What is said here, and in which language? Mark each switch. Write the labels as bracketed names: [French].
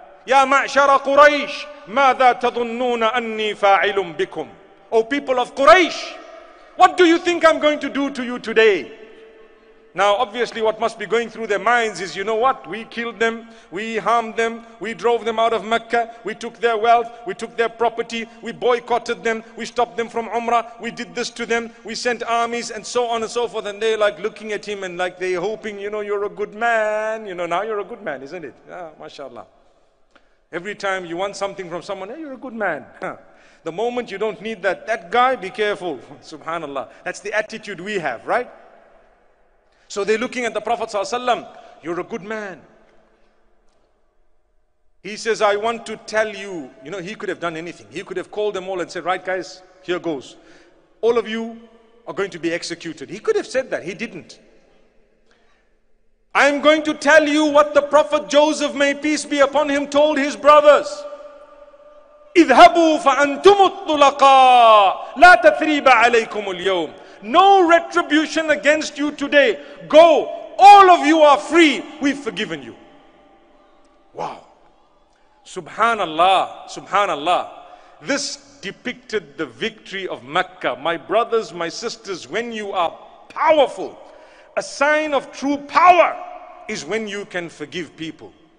[Arabic] Ya ma'shara Quraysh, ماذا تظنون أني فاعل بكم? [English] O people of Quraysh, what do you think I'm going to do to you today? Now, obviously, what must be going through their minds is, you know what? We killed them. We harmed them. We drove them out of Mecca. We took their wealth. We took their property. We boycotted them. We stopped them from Umrah. We did this to them. We sent armies and so on and so forth. And they're like looking at him and like they're hoping, you know, you're a good man. You know, now you're a good man, isn't it? Yeah, mashallah. Every time you want something from someone, hey, you're a good man. The moment you don't need that guy, be careful. Subhanallah. That's the attitude we have, right? So they're looking at the Prophet ﷺ, you're a good man. He says, I want to tell you, you know, he could have done anything. He could have called them all and said, right guys, here goes. All of you are going to be executed. He could have said that. He didn't. I'm going to tell you what the Prophet Joseph, may peace be upon him, told his brothers. [Arabic] اذهبوا فأنتم الطلقاء لا تثريب عليكم اليوم. [English] No retribution against you today. Go. All of you are free. We've forgiven you. Wow. Subhanallah. Subhanallah. This depicted the victory of Mecca. My brothers, my sisters, when you are powerful, a sign of true power is when you can forgive people.